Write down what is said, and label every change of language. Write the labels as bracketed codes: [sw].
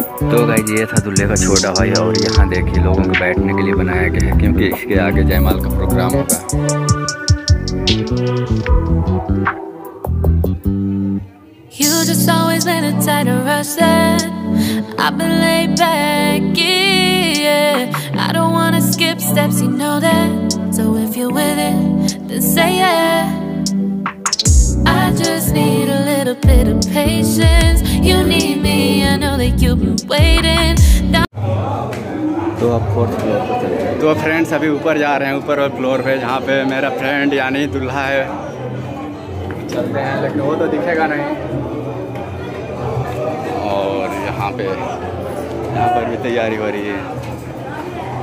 [hi] तो गाइस, ये था दूल्हे का छोटा भाई, और यहाँ देखिए लोगों के बैठने के लिए बनाया गया है, क्योंकि इसके आगे जयमाल का प्रोग्राम होगा। [en] It's always been a tight rush. I've been laid back, yeah. I don't wanna skip steps, you know that. So if you're with it, then say yeah. I just need a little bit of patience. You need me, I know that you've been waiting. [hi] तो आप fourth floor पर चले गए। तो friends अभी ऊपर जा रहे हैं, ऊपर और फ्लोर पे, जहाँ पे मेरा फ्रेंड यानी दूल्हा है। चलते हैं, लेकिन वो तो दिखेगा नहीं। और यहाँ पर भी तैयारी हो रही है।